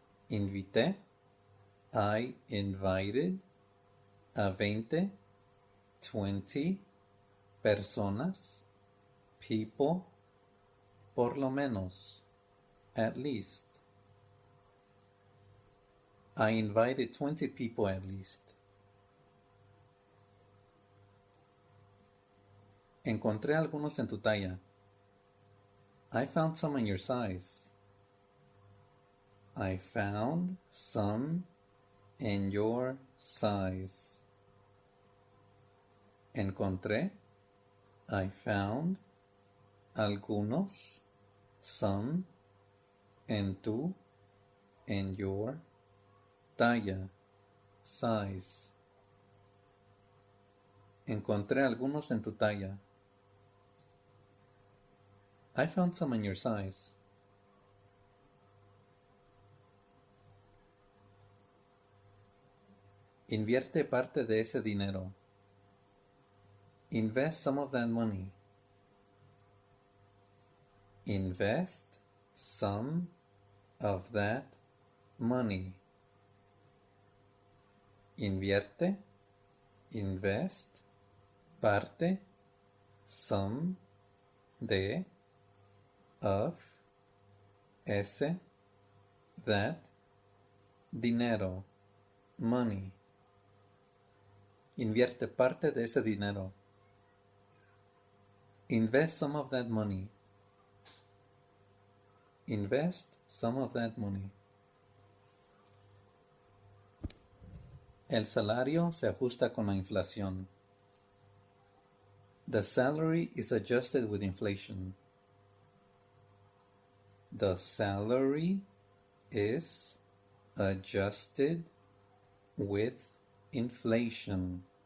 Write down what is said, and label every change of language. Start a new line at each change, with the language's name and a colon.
Spanish: Invité.
English: I invited a 20, 20
Spanish: personas,
English: people,
Spanish: por lo menos,
English: at least. I invited 20 people at least.
Spanish: Encontré algunos en tu talla.
English: I found some in your size. I found some in your size.
Spanish: Encontré.
English: I found
Spanish: algunos.
English: Some
Spanish: en tu.
English: In your
Spanish: talla.
English: Size.
Spanish: Encontré algunos en tu talla.
English: I found some in your size.
Spanish: Invierte parte de ese dinero.
English: Invest some of that money. Invest some of that money.
Spanish: Invierte,
English: invest,
Spanish: parte,
English: some,
Spanish: de,
English: of,
Spanish: ese,
English: that,
Spanish: dinero,
English: money.
Spanish: Invierte parte de ese dinero.
English: Invest some of that money. Invest some of that money.
Spanish: El salario se ajusta con la inflación.
English: The salary is adjusted with inflation. The salary is adjusted with inflation.